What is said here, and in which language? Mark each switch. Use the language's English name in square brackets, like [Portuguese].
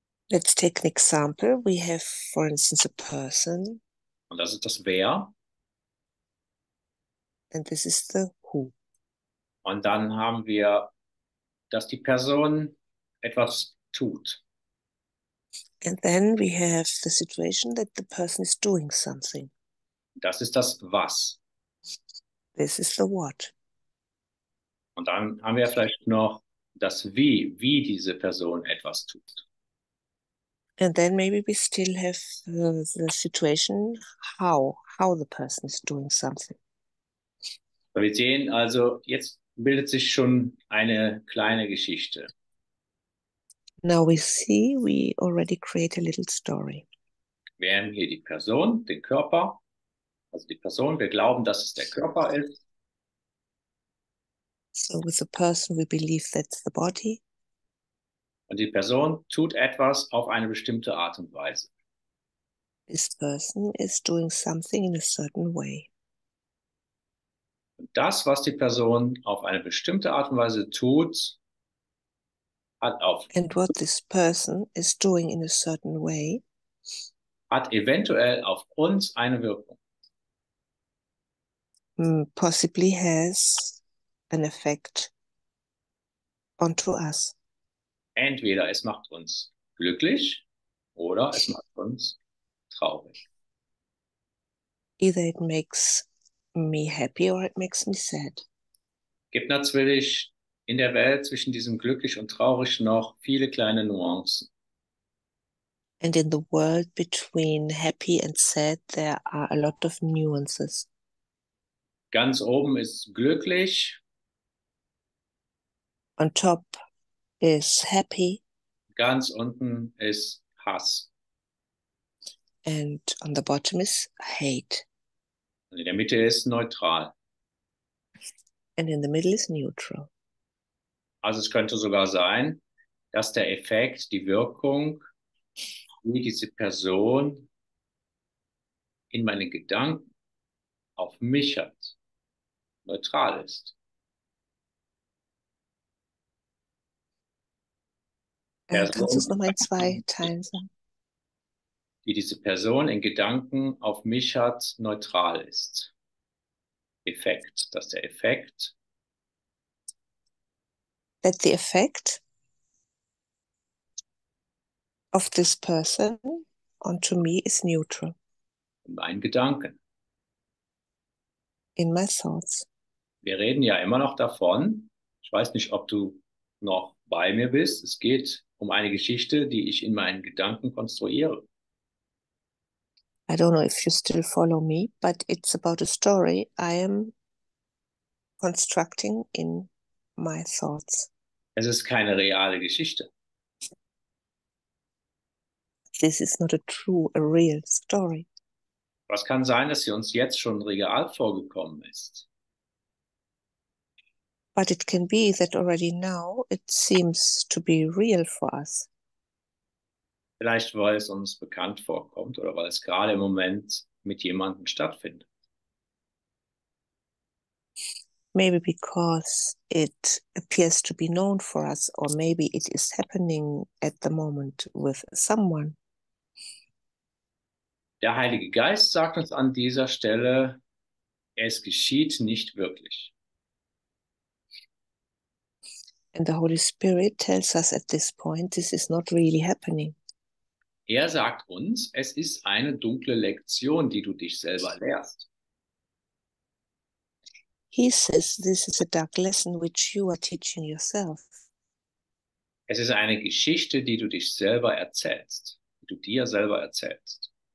[English] Let's take an example. We have, for instance, a person. [German] Und das ist das Wer. [English] And this is the who. [German] Und dann haben wir, dass die Person etwas tut. [English] And then we have the situation that the person is doing something. [German] Das ist das Was. [English] This is the what. [German] Und dann haben wir vielleicht noch das Wie, wie diese Person etwas tut. [English] And then maybe we still have the situation how the person is doing something. [German] Wir sehen also, jetzt bildet sich schon eine kleine Geschichte. [English] Now we see we already create a little story. [German] Wir haben hier die Person, den Körper. Also die Person, wir glauben, dass es der Körper ist. [English] So with the person we believe that's the body. [German] Und die Person tut etwas auf eine bestimmte Art und Weise. [English] This person is doing something in a certain way. [German] Und das, was die Person auf eine bestimmte Art und Weise tut, hat auf. [English] And what this person is doing in a certain way [German] hat eventuell auf uns eine Wirkung. [English] Possibly has an effect onto us. [German] Entweder es macht uns glücklich oder es macht uns traurig. [English] Either it makes me happy or it makes me sad. [German] Gibt natürlich in der Welt zwischen diesem glücklich und traurig noch viele kleine Nuancen. [English] And in the world between happy and sad, there are a lot of nuances. [German] Ganz oben ist glücklich. [English] On top is happy. [German] Ganz unten ist Hass. [English] And on the bottom is hate. [German] Und in der Mitte ist neutral. [English] And in the middle is neutral. [German] Also es könnte sogar sein, dass der Effekt, die Wirkung, wie diese Person in meinen Gedanken auf mich hat, neutral ist. Kannst du es nochmal in zwei Teilen sagen? Wie diese Person in Gedanken auf mich hat, neutral ist. Effekt, dass der Effekt. [English] That the effect of this person onto me is neutral. [German] In meinen Gedanken. [English] In my thoughts. [German] Wir reden ja immer noch davon. Ich weiß nicht, ob du noch bei mir bist. Es geht um eine Geschichte, die ich in meinen Gedanken konstruiere. [English] I don't know if you still follow me, but it's about a story I am constructing in my thoughts. [German] Es ist keine reale Geschichte. [English] This is not a true, a real story. [German] Was kann sein, dass sie uns jetzt schon real vorgekommen ist? [English] But it can be that already now it seems to be real for us. [German] Vielleicht, weil es uns bekannt vorkommt oder weil es gerade im Moment mit jemandem stattfindet. [English] Maybe because it appears to be known for us, or maybe it is happening at the moment with someone. [German] Der Heilige Geist sagt uns an dieser Stelle, es geschieht nicht wirklich. [English] And the Holy Spirit tells us at this point, this is not really happening. [German] Er sagt uns, es ist eine dunkle Lektion, die du dich selber lehrst. [English] He says, this is a dark lesson which you are teaching yourself. [German] Es ist eine Geschichte, die du dich selber erzählst, die du dir selber erzählst.